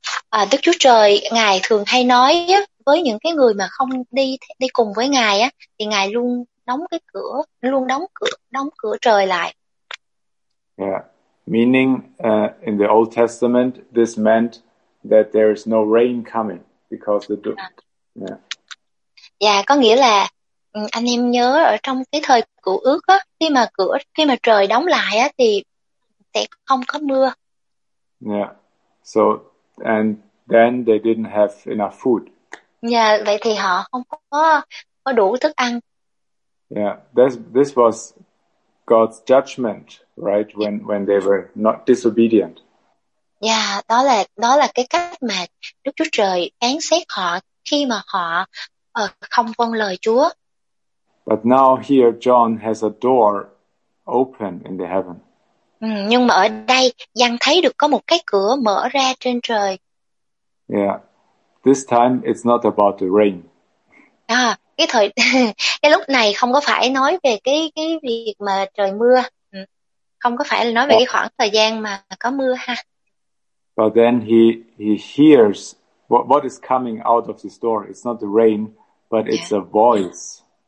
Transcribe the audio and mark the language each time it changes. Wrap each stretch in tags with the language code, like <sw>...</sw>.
<vi>À, Đức Chúa Trời ngài thường hay nói với những cái người mà không đi đi cùng với ngài á, thì ngài luôn đóng cái cửa, luôn đóng cửa trời lại. Yeah.</vi> <en>Meaning in the Old Testament this meant that there is no rain coming because the door.</en> <vi>Dạ, có nghĩa là anh em nhớ ở trong cái thời cựu ước á, khi mà cửa, khi mà trời đóng lại á, thì sẽ không có mưa. Yeah.</vi> <en>So and then they didn't have enough food.</en> <vi>Yeah, vậy thì họ không có đủ thức ăn.</vi> <en>Yeah, this was God's judgment, right? When they were not disobedient.</en> <vi>Yeah, đó là cái cách mà Đức Chúa Trời phán xét họ khi mà họ không vâng lời Chúa.</vi> <en>But now here John has a door open in the heaven.</en> <vi>Nhưng mà ở đây Giăng thấy được có một cái cửa mở ra trên trời.</vi> <en>Yeah. This time it's not about the rain.</en> <vi>À, cái lúc này không có phải nói về cái việc mà trời mưa. Không có phải là nói về cái khoảng thời gian mà có mưa ha.</vi> <en>But then he hears what is coming out of this door. It's not the rain, but it's a voice.</en>